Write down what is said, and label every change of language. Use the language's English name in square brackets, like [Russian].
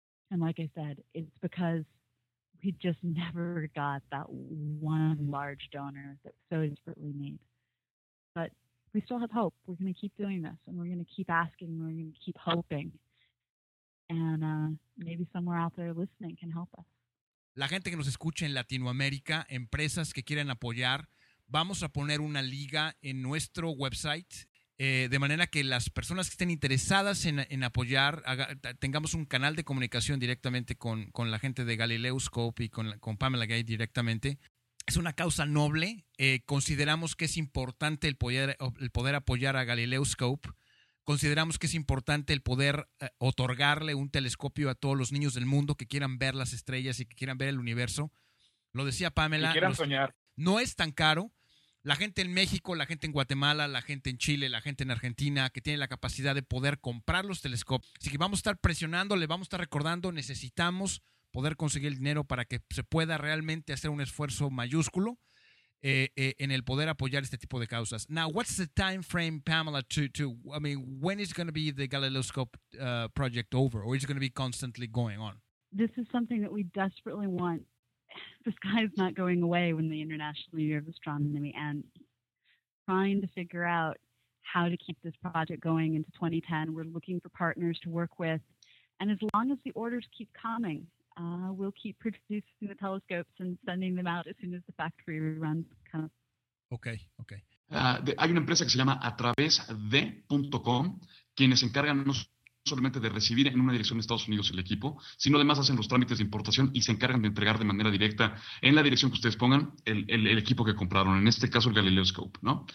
[English] And like I said, it's because we just never got that one large donor that we so desperately need. But we still have hope. We're going to keep doing this and we're going to keep asking and we're going to keep hoping. And maybe somewhere out there listening can help us. [Spanish] La gente que nos escucha en Latinoamérica, empresas que quieren apoyar, vamos a poner una liga en nuestro website De manera que las personas que estén interesadas en apoyar, tengamos un canal de comunicación directamente con la gente de Galileo Scope y con Pamela Gay directamente. Es una causa noble. Consideramos que es importante el poder apoyar a Galileo Scope. Consideramos que es importante el poder otorgarle un telescopio a todos los niños del mundo que quieran ver las estrellas y que quieran ver el universo. Lo decía Pamela. Que quieran soñar. No es tan caro. La gente en México, la gente en Guatemala, la gente en Chile, la gente en Argentina, que tiene la capacidad de poder comprar los telescopios. Así que vamos a estar presionándole, vamos a estar recordando, necesitamos poder conseguir el dinero para que se pueda realmente hacer un esfuerzo mayúsculo en el poder apoyar este tipo de causas. [English] Now, what's the time frame, Pamela, when is going to be the Galileo Scope project over, or is it going to be constantly going on? This is something that we desperately want. The sky is not going away when the International Year of Astronomy ends. Trying to figure out how to keep this project going into 2010, we're looking for partners to work with, and as long as the orders keep coming, we'll keep producing the telescopes and sending them out as soon as the factory runs. Okay, okay. [Spanish] Hay una empresa que se llama atravesde.com, quienes se encargan no solamente de recibir en una dirección de Estados Unidos el equipo, sino además hacen los trámites de importación y se encargan de entregar de manera directa en la dirección que ustedes pongan el equipo que compraron, en este caso el Galileo Scope, ¿no?